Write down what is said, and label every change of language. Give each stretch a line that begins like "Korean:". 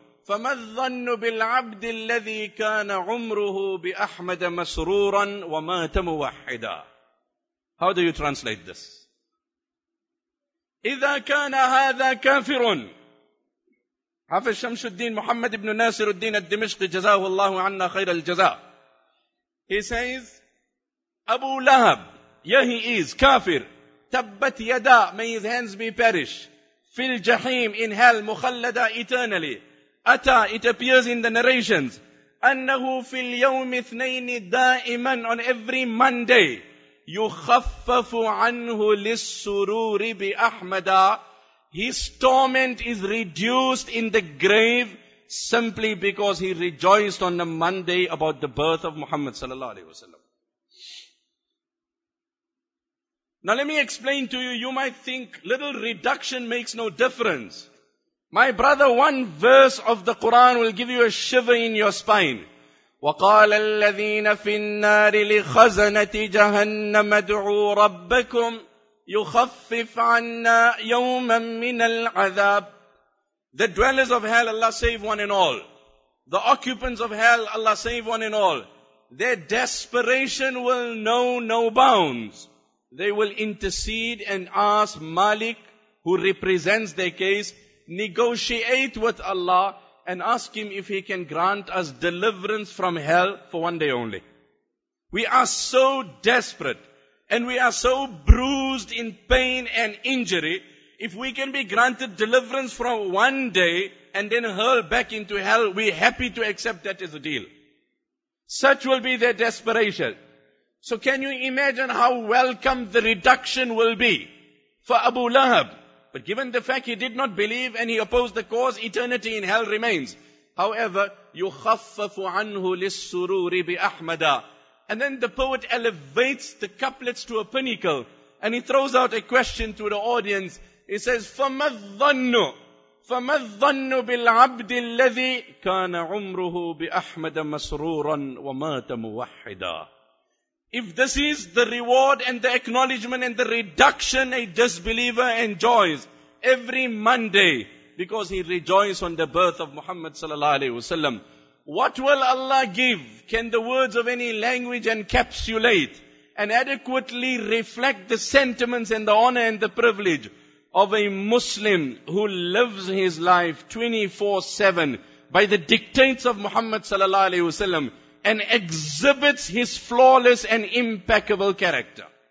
Arabic: فَمَذَّنُّ بِالْعَبْدِ الَّذِي كَانَ عُمْرُهُ بِأَحْمَدَ مَسْرُورًا وَمَاتَ مُوَحِّدًا
English: How do you translate this?
Arabic: إِذَا كَانَ هَذَا كَافِرٌ حَفِظَ شَمْشُ الدِّينِ مُحَمَّدِ بْنُ نَاصِرُ الدِّينَ الدِّمِشْقِ جَزَاهُ اللَّهُ عَنَّا خَيْرَ الْجَزَاءِ
English: He says, Abu Lahab, yeah he is, kafir,
Arabic: تَبَّتْ يَدَا,
English: may his hands be perished,
Arabic: فِي الْجَحِيمِ
English: in hell, مُخَلَّدَا eternally, Ata, it appears in the narrations.
Arabic: Annahu fil yawm ithnayn da'iman
English: on every Monday.
Arabic: يخفف عنه للسرور بأحمد.
English: His torment is reduced in the grave simply because he rejoiced on the Monday about the birth of Muhammad sallallahu alaihi wasallam. Now let me explain to you. You might think little reduction makes no difference. My brother, one verse of the Quran will give you a shiver in your spine.
Arabic: وقال الذين في النار لخزنة جهنم ادعوا ربكم يخفف عنا يوما من العذاب.
English: The dwellers of hell, Allah save one and all. The occupants of hell, Allah save one and all. Their desperation will know no bounds. They will intercede and ask Malik, who represents their case, negotiate with Allah and ask Him if He can grant us deliverance from hell for one day only. We are so desperate and we are so bruised in pain and injury. If we can be granted deliverance for one day and then hurled back into hell, we're happy to accept that as a deal. Such will be their desperation. So can you imagine how welcome the reduction will be for Abu Lahab? But given the fact he did not believe and he opposed the cause, eternity in hell remains.
Arabic: However, يُخَفَّفُ عَنْهُ لِلسُّرُورِ بِأَحْمَدَ.
English: And then the poet elevates the couplets to a pinnacle and he throws out a question to the audience. He says,
Arabic: فَمَا الظَّنُّ بِالْعَبْدِ الَّذِي كَانَ عُمْرُهُ بِأَحْمَدَ مَسْرُورًا وَمَاتَ مُوَحِّدًا.
English: If this is the reward and the acknowledgement and the reduction a disbeliever enjoys every Monday because he rejoiced on the birth of Muhammad sallallahu alaihi wasallam, what will Allah give? Can the words of any language encapsulate and adequately reflect the sentiments and the honor and the privilege of a Muslim who lives his life 24/7 by the dictates of Muhammad sallallahu alaihi wasallam and exhibits his flawless and impeccable character?